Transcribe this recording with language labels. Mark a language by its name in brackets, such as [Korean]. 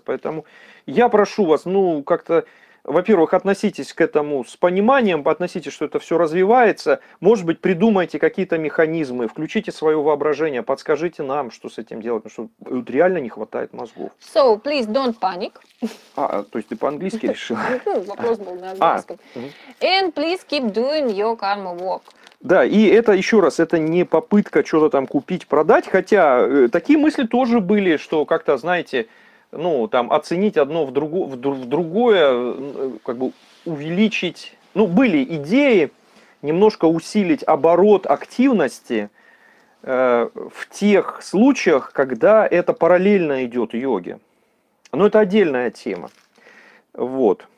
[Russian] Поэтому я прошу вас, ну, как-то, во-первых, относитесь к этому с пониманием, относитесь, что это все развивается. Может быть, придумайте какие-то механизмы, включите свое воображение, подскажите нам, что с этим делать, потому что вот, реально не хватает мозгов. [English] So, please don't panic. [Russian] А, то есть ты по-английски решила? Вопрос был на английском. [English] And please keep doing your karma work. [Russian] Да, и это еще раз, это не попытка что-то там купить, продать, хотя такие мысли тоже были, что как-то, знаете, ну, там, оценить одно в другое, как бы увеличить, ну, были идеи немножко усилить оборот активности в тех случаях, когда это параллельно идет йоге, но это отдельная тема, вот.